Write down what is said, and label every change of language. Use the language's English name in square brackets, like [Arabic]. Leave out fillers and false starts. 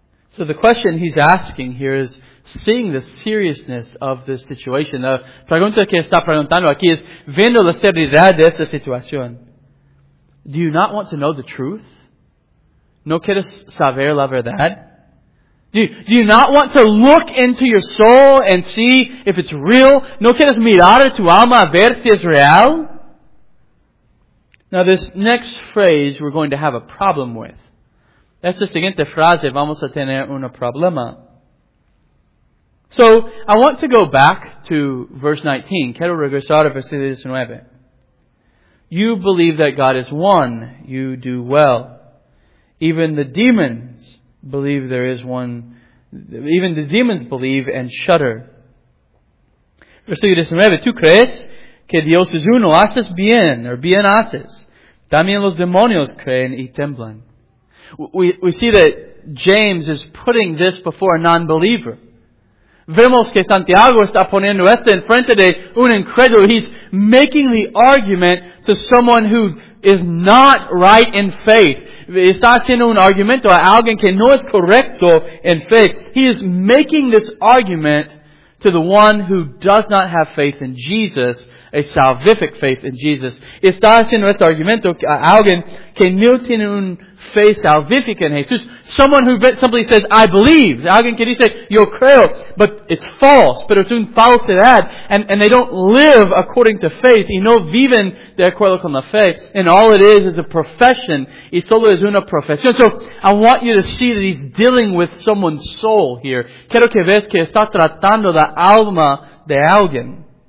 [English] So the question he's asking here is, seeing the seriousness of this situation. [Spanish] La pregunta que está preguntando aquí es, viendo la seriedad de esta situación. [English] Do you not want to know the truth? [Spanish] ¿No quieres saber la verdad? [English] Do you not want to look into your soul and see if it's real? [Spanish] ¿No quieres mirar a tu alma a ver si es real? [English] Now this next phrase we're going to have a problem with. [Spanish] Esta siguiente frase vamos a tener un problema. [English] So, I want to go back to verse 19. [Spanish] Quiero regresar a versículo 19. [English] You believe that God is one. You do well. Even the demons believe there is one. Even the demons believe and shudder. [Spanish] Versículo 19. ¿Tú crees que Dios es uno? Haces bien. Or bien haces. También los demonios creen y temblan. [English] We see that James is putting this before a non-believer. [Spanish] Vemos que Santiago está poniendo esto en frente de un incrédulo. [English] He's making the argument to someone who is not right in faith. [Spanish] Está haciendo un argumento a alguien que no es correcto en faith. [English] He is making this argument to the one who does not have faith in Jesus, a salvific faith in Jesus. [Spanish] Está haciendo este argumento a alguien que no tiene un [English] faith salvific in Jesus. Someone who simply says, I believe. [Spanish] Alguien que dice, yo creo. [English] But it's false. [Spanish] Pero es un falsedad. [English] And they don't live according to faith. [Spanish] Y no viven de acuerdo con la fe. [English] And all it is a profession. [Spanish] Y solo es una profesión. [English] So, I want you to see that he's dealing with someone's soul here. [Spanish] Quiero que veas que está tratando la alma de alguien.